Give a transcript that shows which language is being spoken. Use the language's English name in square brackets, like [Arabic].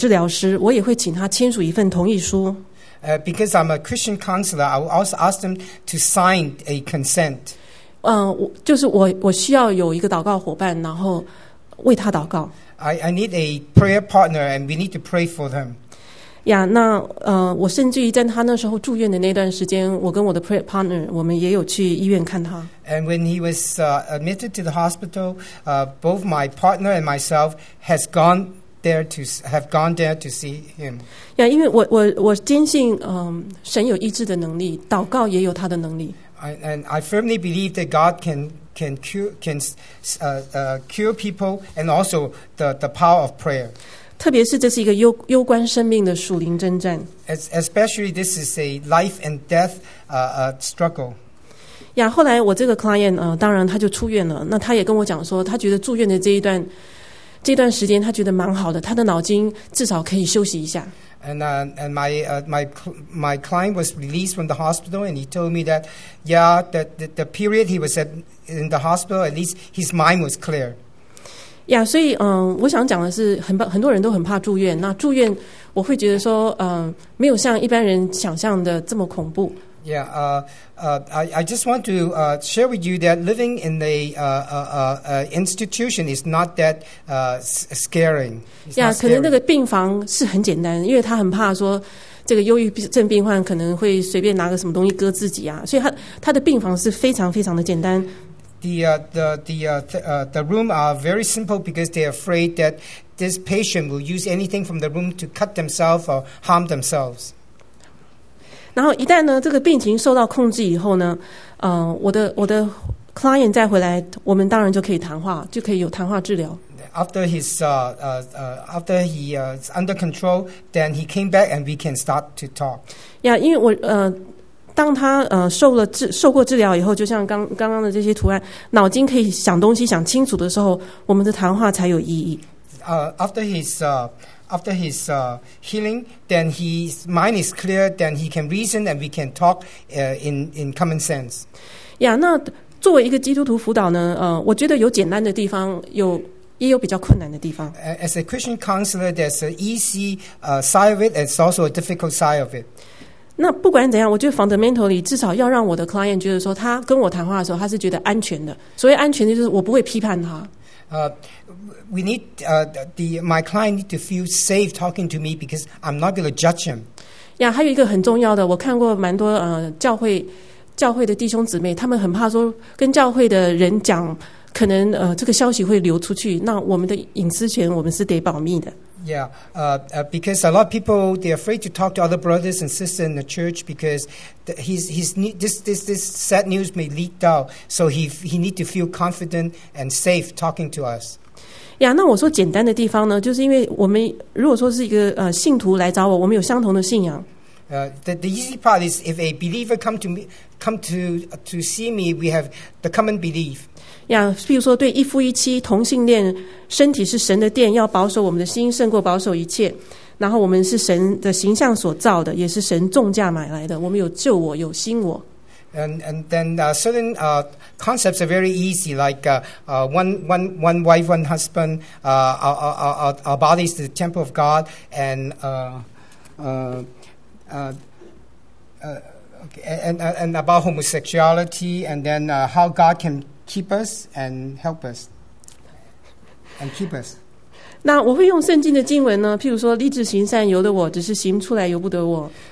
[Chinese] 那也因为我是一个基督徒的治疗师，我也会请他签署一份同意书。 [English] Because I'm a Christian counselor, I will also ask them to sign a consent. [Chinese] 就是我需要有一个祷告伙伴，然后为他祷告。 [English] I need a prayer partner, and we need to pray for them. [Chinese] Yeah, 那我甚至于在他那时候住院的那段时间，我跟我的 prayer partner, 我们也有去医院看他。 [English] And when he was admitted to the hospital, both my partner and myself have gone there to see him. [Chinese] Yeah, 因为我坚信，神有医治的能力，祷告也有他的能力。 [English] And I firmly believe that God can cure people, and also the power of prayer. [Chinese] 特别是这是一个攸关生命的属灵征战。 [English] Especially this is a life and death struggle. [Chinese] 呀，后来我这个 client 当然他就出院了。那他也跟我讲说，他觉得住院的这一段时间，他觉得蛮好的，他的脑筋至少可以休息一下。 [English] And my client was released from the hospital, and he told me that, yeah, that the period he was in the hospital, at least his mind was clear. [Chinese] Yeah, 所以我想讲的是，很多人都很怕住院。那住院，我会觉得说，没有像一般人想象的这么恐怖。 [English] Yeah, I just want to share with you that living in a institution is not that scaring. [Chinese] Yeah, 可能那个病房是很简单，因为他很怕说这个忧郁症病患可能会随便拿个什么东西割自己啊，所以他的病房是非常非常的简单。 [English] The room are very simple because they are afraid that this patient will use anything from the room to cut themselves or harm themselves. [Chinese] 然后一旦呢，这个病情受到控制以后呢，我的 client 再回来，我们当然就可以谈话，就可以有谈话治疗。 [English] After his after he is under control, then he came back and we can start to talk. [Chinese] Yeah, 因为我当他受过治疗以后，就像刚刚的这些图案，脑筋可以想东西想清楚的时候，我们的谈话才有意义。 [English] After his healing, then his mind is clear, then he can reason, and we can talk in common sense. [Chinese] Yeah, 那作为一个基督徒辅导呢，我觉得有简单的地方，也有比较困难的地方。 [English] As a Christian counselor, there's an easy side of it, and it's also a difficult side of it. [Chinese] 那不管怎样，我觉得 [English] fundamentally [Chinese] 至少要让我的 client 觉得说，他跟我谈话的时候，他是觉得安全的。所谓安全，就是我不会批判他。 [English] My client need to feel safe talking to me because I'm not going to judge him. [Chinese] Yeah, 还有一个很重要的，我看过蛮多教会的弟兄姊妹，他们很怕说跟教会的人讲，可能这个消息会流出去。那我们的隐私权，我们是得保密的。 [English] Yeah, because a lot of people, they're afraid to talk to other brothers and sisters in the church because this sad news may leak out. So he need to feel confident and safe talking to us. [Chinese] Yeah, 那我说简单的地方呢，就是因为我们如果说是一个信徒来找我，我们有相同的信仰。 [English] The easy part is if a believer come to see me, we have the common belief. [Chinese] Yeah, 譬如说对一夫一妻同性恋，身体是神的殿，要保守我们的心胜过保守一切。然后我们是神的形象所造的，也是神重价买来的。我们有救我，有新我。 [English] And then certain concepts are very easy, like one wife, one husband. Our body is the temple of God, and about homosexuality, and then how God can keep us and help us and keep us. [Chinese] 那我会用圣经的经文呢，譬如说立志行善由得我，只是行出来由不得我。